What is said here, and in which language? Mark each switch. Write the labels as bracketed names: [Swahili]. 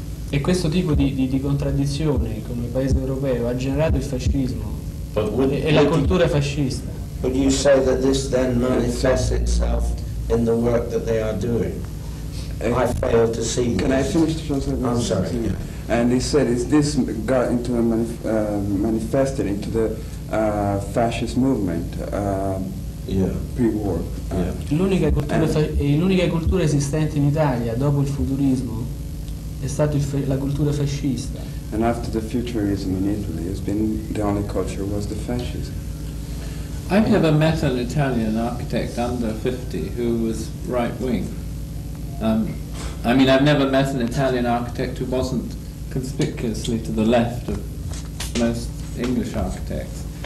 [Italian] E questo tipo di contraddizione con il paese europeo ha generato il fascismo. E la cultura fascista. [English] Would you say that this then manifests itself in the work that they are doing? I fail to see. Can this. I finish the translation? I'm sorry. Yeah. And he said, is this got into a manifested into the fascist movement? Pre-war. [Italian] L'unica cultura esistente in Italia dopo il futurismo è stata la cultura fascista. [English] And after the futurism in Italy, has been the only culture was the fascism. I've never met an Italian architect under 50 who was right-wing. I mean, I've never met an Italian architect who wasn't conspicuously to the left of most English architects.